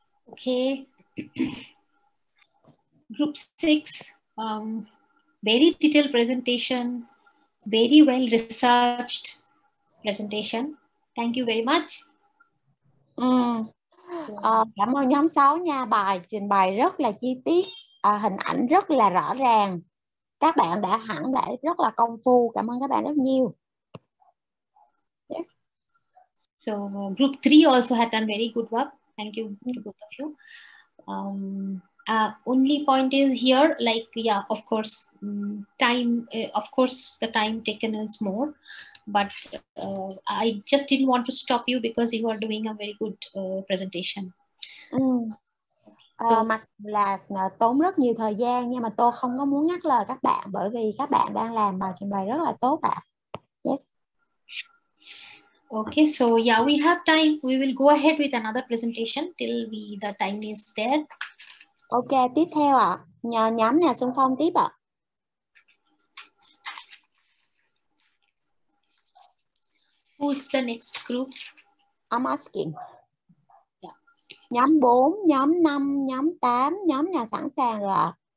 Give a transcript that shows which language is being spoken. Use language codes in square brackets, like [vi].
[en] Okay, group 6, very detailed presentation, very well researched presentation. Thank you very much. [vi] Cảm ơn nhóm 6 nha, bài trình bày rất là chi tiết, hình ảnh rất là rõ ràng. Các bạn đã hẳn để rất là công phu, cảm ơn các bạn rất nhiều. Yes. [en] So group 3 also had done very good work. Thank you to both of you. Only point is here, like, yeah, of course, time, of course, the time taken is more, but I just didn't want to stop you because you are doing a very good presentation. [vi] Mặc là tốn rất nhiều thời gian nhưng mà tôi không có muốn ngắt lời các bạn bởi vì các bạn đang làm bài trình bày rất là tốt ạ. Yes. [en] Okay, so yeah, we have time. We will go ahead with another presentation till the time is there. [vi] Okay, tiếp theo ạ. Nhờ nhóm nhà Xuân Phong tiếp ạ. [en] Who's the next group? I'm asking. [vi] Nhóm 4, nhóm 5, nhóm 8, nhóm nhà sẵn sàng rồi ạ.